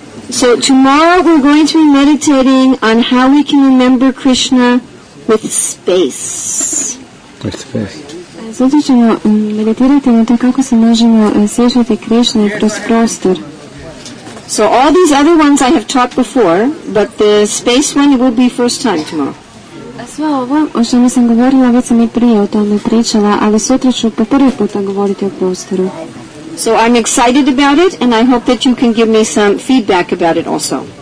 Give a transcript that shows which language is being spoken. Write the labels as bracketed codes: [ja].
[en] So tomorrow we're going to be meditating on how we can remember Krishna with space. With space. [hr] Sada ćemo meditirati na to kako se možemo sjećati Krishna kroz prostor. [en] So all these other ones I have taught before, but the space one will be first time tomorrow. [hr] Sve ovo o čemu sam govorila, već sam i prije o tome pričala, ali sutra ću po prvi puta govoriti o prostoru. [en] So I'm excited about it, and I hope that you can give me some feedback about it also.